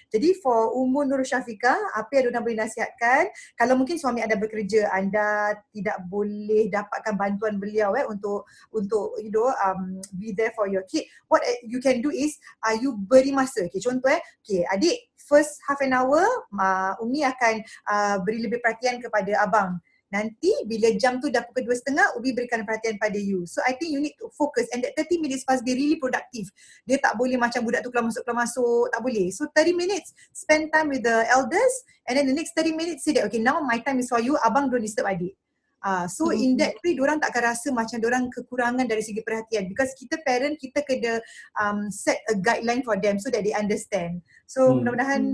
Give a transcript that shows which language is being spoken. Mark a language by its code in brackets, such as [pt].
[ms] Jadi for umur Nur Syafiqah, apa yang Dona boleh nasihatkan, kalau mungkin suami anda bekerja, anda tidak boleh dapatkan bantuan beliau untuk you know, [en] be there for your kid, what you can do is, [ms] you beri masa. Okay, contoh okay, adik, [en] first half an hour, [ms] Umi akan beri lebih perhatian kepada abang. Nanti bila jam tu dah pukul 2:30, Ubi berikan perhatian pada you. [en] So I think you need to focus and that 30 minutes must be really productive. [ms] Dia tak boleh macam budak tu keluar masuk, tak boleh. [en] So 30 minutes, spend time with the elders and then the next 30 minutes say that, okay, now my time is for you, abang don't disturb adik. So in that way, [ms] diorang tak akan rasa macam diorang kekurangan dari segi perhatian because kita parent, kita kena [en] set a guideline for them so that they understand. [ms] So mudah-mudahan.